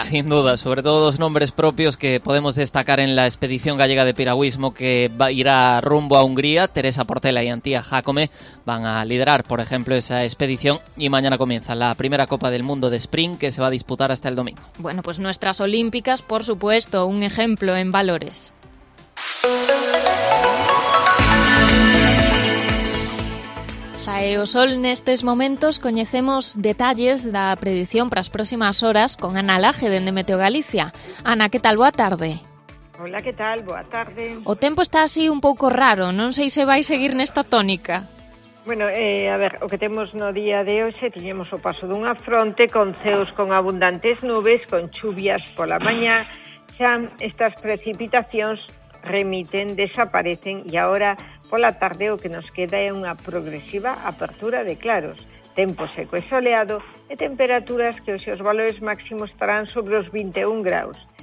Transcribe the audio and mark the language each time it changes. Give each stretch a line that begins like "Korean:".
Spanish: Sin duda, sobre todo 2 nombres propios que podemos destacar en la expedición gallega de piragüismo que irá rumbo a Hungría. Teresa Portela y Antía Jácome van a liderar, por ejemplo, esa expedición. Y mañana comienza la primera Copa del Mundo de Sprint, que se va a disputar hasta el domingo. Bueno, pues nuestras olímpicas, por supuesto, un ejemplo en valores.
Galician: Sae o sol nestes momentos, coñecemos detalles da predición para as próximas horas con Ana Laje, dende Meteo Galicia. Ana, que tal? Boa tarde. Hola, que tal? Boa tarde. O tempo está así un pouco raro, non sei se vai seguir nesta tónica. Bueno, a ver, o que temos no día de hoxe, tiñemos o paso dunha fronte con ceos con abundantes nubes, con chuvias pola mañá, xa estas precipitacións remiten, desaparecen e agora pola tarde o que nos queda é unha progresiva apertura de claros, tempo seco e soleado e temperaturas que hoxe os valores máximos estarán sobre os 21 graus.